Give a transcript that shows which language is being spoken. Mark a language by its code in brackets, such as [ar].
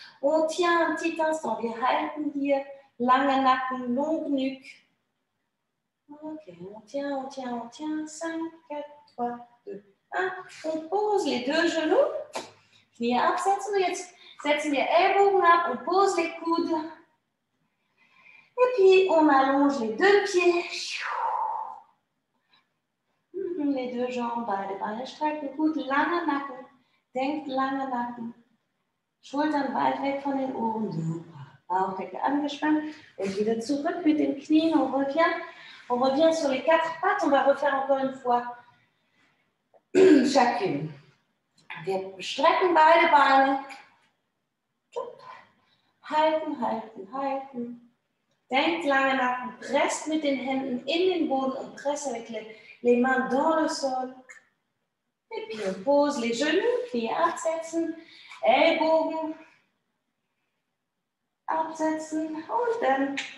[fr] On tient un petit instant, [de] wir halten hier lange Nacken, [fr] longue nuque. Ok, on tient, on tient, on tient. 5, 4, 3, 2, 1. On pose les deux genoux. [de] Knie absetzen. Jetzt setzen wir Ellbogen ab. [fr] On pose les coudes. Et puis, on allonge les deux pieds. Les deux jambes, [de] beide Beine strecken. Gut, lange Nacken. Denkt lange Nacken. Schultern weit weg von den Ohren. Bauchdecke angespannt. Und wieder zurück mit den Knien. [fr] On revient. On revient sur les quatre pattes, on va refaire encore une fois chacune. [de] Wir strecken beide Beine. Halten, halten, halten. Denkt lange nach, presst mit den Händen in den Boden und presst [fr] avec les mains dans le sol. Et puis on pose les genoux, [de] Knie absetzen, Ellbogen absetzen und dann.